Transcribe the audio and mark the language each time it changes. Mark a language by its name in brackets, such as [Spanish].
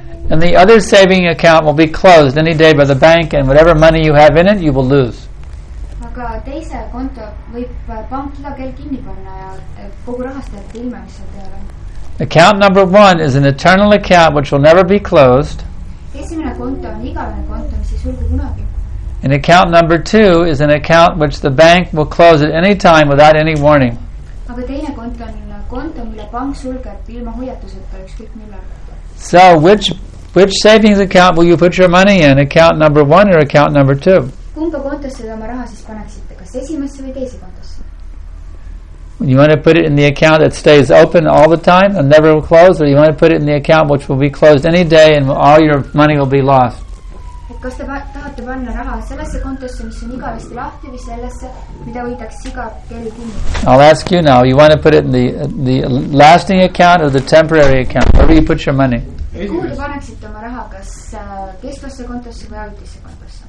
[English] And the other saving account will be closed any day by the bank, and whatever money you have in it, you will lose. [Estonian] Aga teise konto võib pank iga kell kinni panna ja kogu rahast jääb ilma, mis seal teal on. [English] Account number one is an eternal account which will never be closed. [Estonian] Esimene konto on igavene konto, mis ei sulgu kunagi. [English] And account number two is an account which the bank will close at any time without any warning. [Estonian] Aga teine konto on konto, mille pank sulgeb ilma hoiatuseta ükskõik millal. [English] So which savings account will you put your money in? Account number one or account number two? [Estonian] Kumba kontosse oma raha siis paneksite? Kas esimesse või teise kontosse? [English] You want to put it in the account that stays open all the time and never will close, or you want to put it in the account which will be closed any day and all your money will be lost? [Estonian] Et kas te tahate panna raha sellesse kontosse, mis on igavesti lahti, või sellesse, mida võidakse iga kell kinni? [English] I'll ask you now. You want to put it in the lasting account or the temporary account? Where do you put your money? [Estonian] Kuhu te paneksite oma raha, kas keskvasse kontosse või ajutisse kontosse?